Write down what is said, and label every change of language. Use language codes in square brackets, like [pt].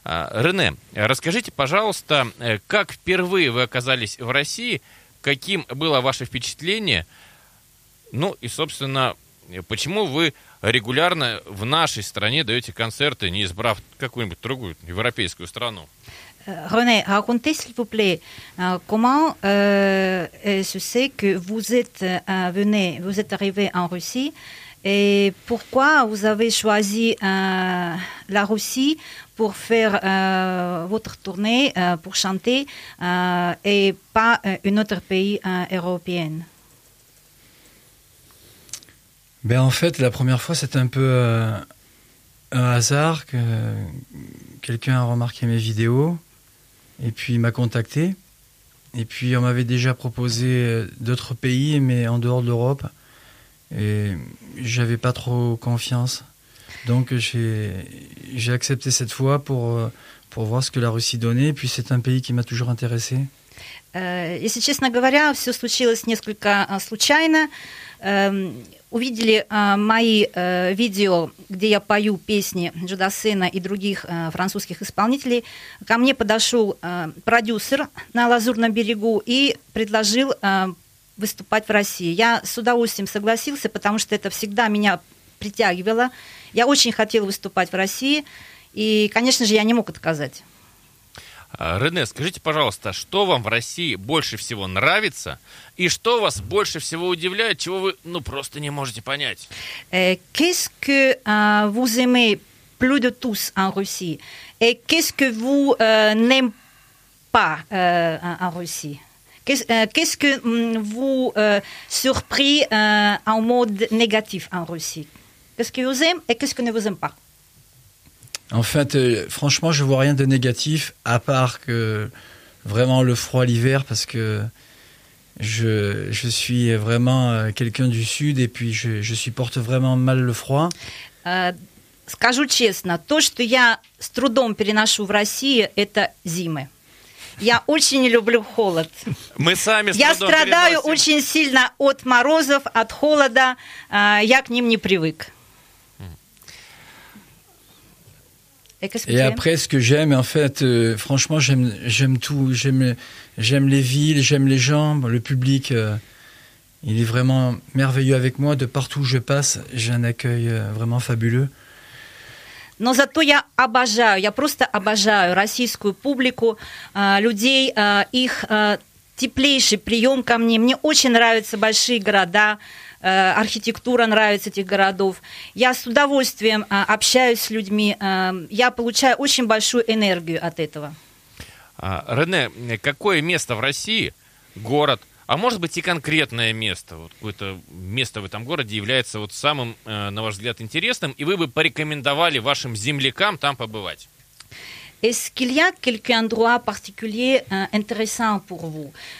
[ru] Рене, расскажите, пожалуйста, как впервые вы оказались в России, каким было ваше впечатление, ну и, собственно, почему вы регулярно в нашей стране даете концерты, не избрав какую-нибудь другую европейскую страну. [fr] René, racontez, s'il vous plaît, comment se fait que vous êtes venu, vous êtes arrivé en Russie, et pourquoi vous avez choisi la Russie pour faire votre tournée, pour chanter, et pas un autre pays européen? Ben en fait, la première fois, c'était un peu un hasard que quelqu'un a remarqué mes vidéos et puis il m'a contacté. Et puis, on m'avait déjà proposé d'autres pays, mais en dehors de l'Europe. Et j'avais pas trop confiance. Donc, j'ai accepté cette fois pour voir ce que la Russie donnait. Et puis, c'est un pays qui m'a toujours intéressé. [ru] Если честно говоря, все случилось несколько случайно. Увидели мои видео, где я пою песни Джуда Сына и других французских исполнителей. Ко мне подошел продюсер на Лазурном берегу и предложил выступать в России. Я с удовольствием согласился, потому что это всегда меня притягивало. Я очень хотела выступать в России, и, конечно же, я не мог отказать. Рене, скажите, пожалуйста, что вам в России больше всего нравится и что вас больше всего удивляет, чего вы, ну, просто не можете понять? [fr] Qu'est-ce que vous aimez plus de tous en Russie? Et qu'est-ce que vous n'aimez pas en Russie? Qu'est-ce que vous surpris en mode négatif en Russie? Qu'est-ce que vous aimez et qu'est-ce que ne vous aimez pas? En fait, franchement, je vois rien de négatif, à part que vraiment le froid l'hiver, parce que je suis vraiment quelqu'un du sud et puis je supporte vraiment mal le froid. [ru] Скажу честно, то, что я с трудом переношу в России, это зимы. Я очень люблю холод. Мы сами. Я страдаю очень сильно от морозов, от холода. Я к ним не привык. [fr] Et après, ce que j'aime, en fait, franchement, j'aime tout. J'aime les villes, j'aime les gens, le public. Il est vraiment merveilleux avec moi. De partout où je passe, j'ai un accueil vraiment fabuleux. [ru] Но зато я обожаю, я просто обожаю российскую публику, людей, их теплейший прием ко мне. Мне очень нравятся большие города. Архитектура нравится этих городов. Я с удовольствием общаюсь с людьми. Я получаю очень большую энергию от этого. Рене, какое место в России, город, а может быть и конкретное место, вот какое-то место в этом городе является вот самым, на ваш взгляд, интересным, и вы бы порекомендовали вашим землякам там побывать? [fr] Est-ce qu'il y a quelque endroit particulier intéressant pour vous?